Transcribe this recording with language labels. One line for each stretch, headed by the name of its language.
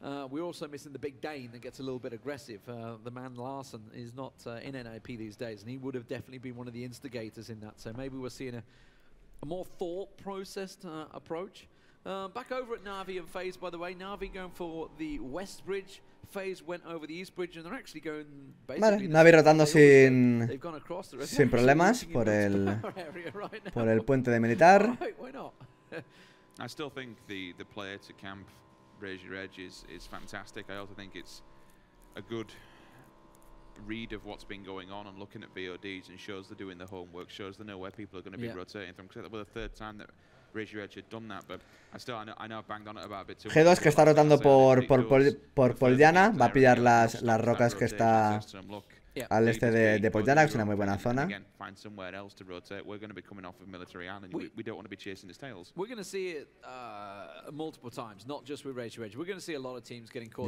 English: We're also missing the big Dane that gets a little bit aggressive. The man Larson is not in NIP these days, and he would have definitely been one of the instigators in that. So maybe we're seeing a more thought-processed approach. Back over at Na'Vi and FaZe, by the way. Na'Vi going for the West Bridge. FaZe went over the East Bridge, and they're actually going basically...
Spanish: Vale, Na'Vi rotando sin problemas por el puente de militar.
English: Right, why not? I still think the player to camp... Razor Edge is fantastic. I also think it's a good read of what's been going on and looking at VODs and shows they're doing the homework, shows they know where people are going to be rotating from. Because that was the third time that Razor Edge had done that, but I still I know I've banged on it about a bit too.
Spanish: G2 que está rotando por Poljana, va a pillar las rocas que está al este de Poljana, que es una muy buena zona.
English: Find somewhere else to rotate. We're going to be coming off of Military Island. We don't want to be chasing his tails. We're going to see it multiple times, not just with Rage Rage. We're going to see a lot of teams getting caught.